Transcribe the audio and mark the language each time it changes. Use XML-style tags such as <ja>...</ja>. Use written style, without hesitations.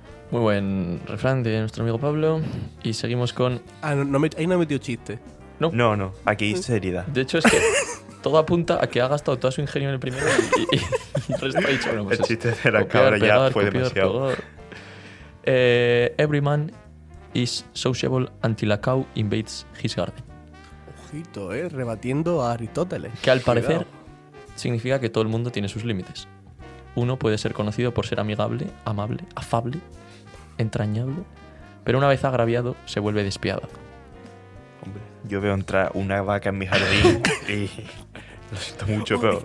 <es>Muy buen refrán de nuestro amigo Pablo. Y seguimos con... Ah, ahí no ha metido chiste. No, aquí es seriedad. De hecho es que todo apunta a que ha gastado todo su ingenio en el primero y el resto ha dicho... Bueno, pues el chiste de la cabra ya fue demasiado.</es> <en>Every man is sociable until a cow invades his garden.</en> <es>Ojito, rebatiendo a Aristóteles. Que al parecer significa que todo el mundo tiene sus límites. Uno puede ser conocido por ser amigable, amable, afable, entrañable, pero una vez agraviado se vuelve despiadado. Hombre, yo veo entrar una vaca en mi jardín y lo siento mucho, pero...</es>